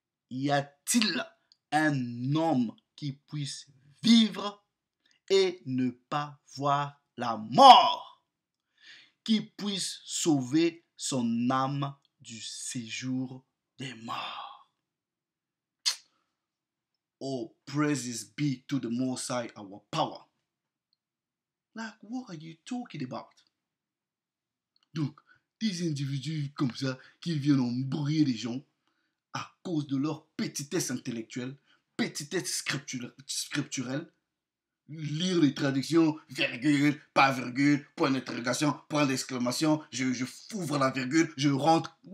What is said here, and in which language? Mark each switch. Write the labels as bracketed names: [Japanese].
[French] Y a-t-il un homme qui puisse vivre et ne pas voir la mort, qui puisse sauver son âme du séjour des morts? [English] Oh, praises be to the Most High, our power. Like, what are you talking about? [French] Donc, des individus comme ça qui viennent embrouiller les gens à cause de leur petitesse intellectuelle, petitesse scripturelle, lire les traductions, virgule, pas virgule, point d'interrogation, point d'exclamation, je fouvre la virgule, je rentre.